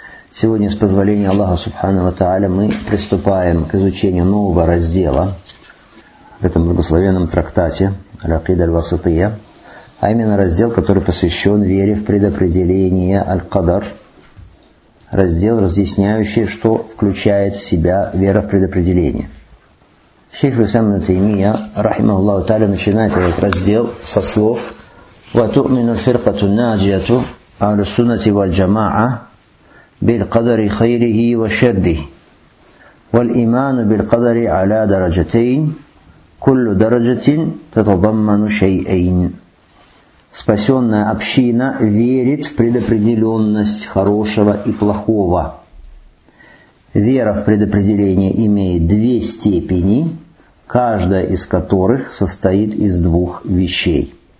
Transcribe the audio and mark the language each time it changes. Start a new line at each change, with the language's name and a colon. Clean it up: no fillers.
Russian: Сегодня, с позволения Аллаха Субхана ва Тааля, мы приступаем к изучению нового раздела в этом благословенном трактате «Аль-Акида аль-Васытия», а именно раздел, который посвящен вере в предопределение «Аль-Кадар», раздел, разъясняющий, что включает в себя вера в предопределение. Шейх Ислам ибн Таймия, рахимаху Аллаху Тааля, начинает этот раздел со слов
Arabic: «Ва тумину фиркату наджиату аль-суннати валь-джама'а». بالقدر خيره وشره والإيمان بالقدر على درجتين كل درجة تتضمن شيئين.
Russian: Спасенная община верит в предопределенность хорошего и плохого. Вера в предопределение имеет две степени, каждая из которых состоит из двух вещей.